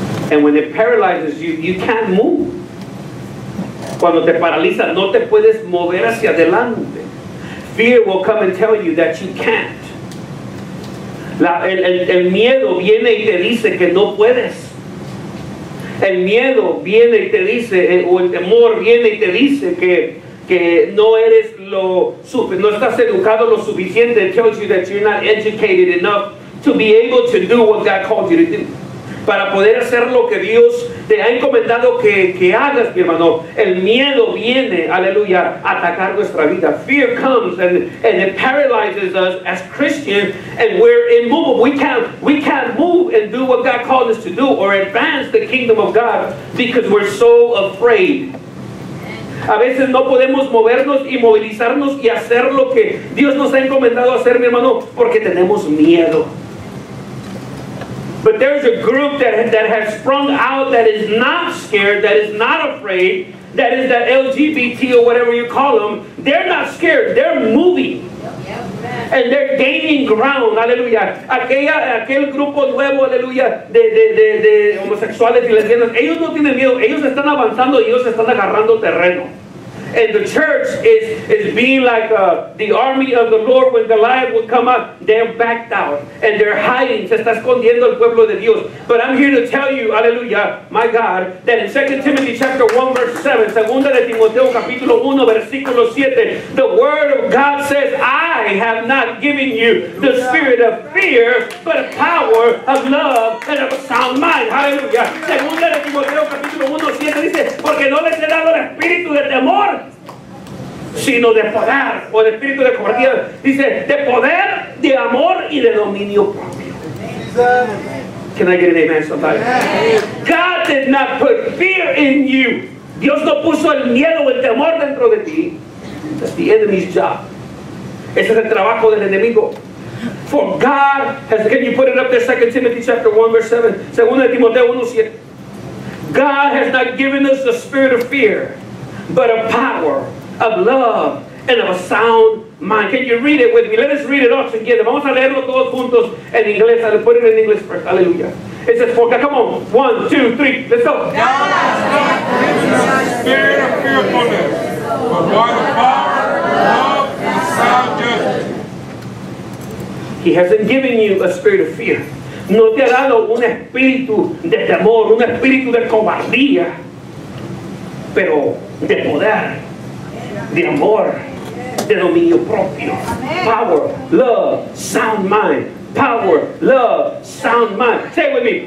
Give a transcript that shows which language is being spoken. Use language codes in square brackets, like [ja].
[en] And when it paralyzes you, you can't move. [es] Cuando te paraliza, no te puedes mover hacia adelante. [en] Fear will come and tell you that you can't. [es] El miedo viene y te dice que no puedes. El miedo viene y te dice, o el temor viene y te dice que no eres lo suficiente, no estás educado lo suficiente. [en] It tells you that you're not educated enough to be able to do what God called you to do. [es] Para poder hacer lo que Dios te ha encomendado que hagas, mi hermano. El miedo viene, aleluya, a atacar nuestra vida. [en] Fear comes and it paralyzes us as Christians, and we're immovable. We can't move and do what God called us to do or advance the kingdom of God because we're so afraid. [es] A veces no podemos movernos y movilizarnos y hacer lo que Dios nos ha encomendado hacer, mi hermano, porque tenemos miedo. [en] But there's a group that has sprung out that is not scared, that is not afraid, that is the LGBT or whatever you call them. They're not scared. They're moving. And they're gaining ground, aleluya. [es] Aquel grupo nuevo, aleluya, de homosexuales y lesbianas, ellos no tienen miedo. Ellos están avanzando y ellos están agarrando terreno. [en] And the church is being like the army of the Lord when Goliath would come up. They're backed out and they're hiding. [es] Se está escondiendo el pueblo de Dios. [en] But I'm here to tell you, aleluya, my God, that in 2 Timothy chapter 1, verse 7, [es] 2 de Timoteo capítulo 1, versículo 7, [en] the word of God says, I have not given you the spirit of fear, but a power of love and of a sound mind. Hallelujah. [es] 2 de Timoteo capítulo 1, 7 dice, porque no les he dado el espíritu de temor, sino de poder, o el espíritu de cobardía, dice, de poder, de amor y de dominio propio. [en] Can I get an amen somebody? God did not put fear in you. [es] Dios no puso el miedo o el temor dentro de ti. [en] That's the enemy's job. [es] Ese es el trabajo del enemigo. [en] For God has, can you put it up there, 2 Timothy chapter 1 verse 7, 2 Timoteo 1 verse 7. God has not given us the spirit of fear, but a power of love and of a sound mind. Can you read it with me? Let us read it all together. [es] Vamos a leerlo todos juntos en inglés. [en] I'll put it in English first. Aleluya. It says, for, come on. One, two, three. Let's go. God has not given us the spirit of fearfulness, but by the power of love and sound judgment. He hasn't given you a spirit of fear. [es] No te ha dado un espíritu de temor, un espíritu de cobardía. Pero de poder, de amor, de dominio propio. [en] Power, love, sound mind. Power, love, sound mind. Say it with me.